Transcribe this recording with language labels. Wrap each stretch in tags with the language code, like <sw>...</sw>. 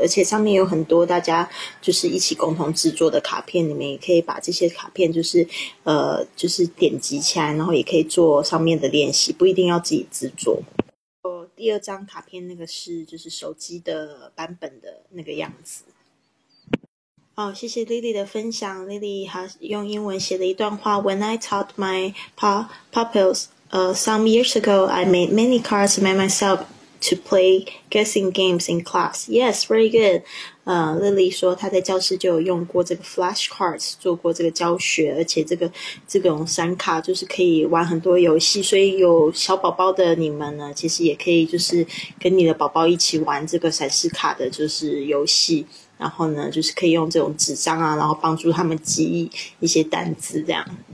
<zh>而且上面有很多大家就是一起共同制作的卡片，你们也可以把这些卡片就是就是点击起来，然后也可以做上面的练习，不一定要自己制作。第二张卡片那个是就是手机的版本的那个样子。好，谢谢 Lily 的分享。</zh> <en>Lily</en> <zh>用英文写了一段话，</zh> <en>When I taught my pupilsSome years ago, I made many cards by myself to play guessing games in class. Yes, very good.</en> <zh>Lily 说她在教室就有用过这个 flashcards 做过这个教学，而且这种闪卡就是可以玩很多游戏，所以有小宝宝的你们呢，其实也可以就是跟你的宝宝一起玩这个闪示卡的就是游戏，然后呢就是可以用这种纸张啊，然后帮助他们记忆一些单字这样。</zh>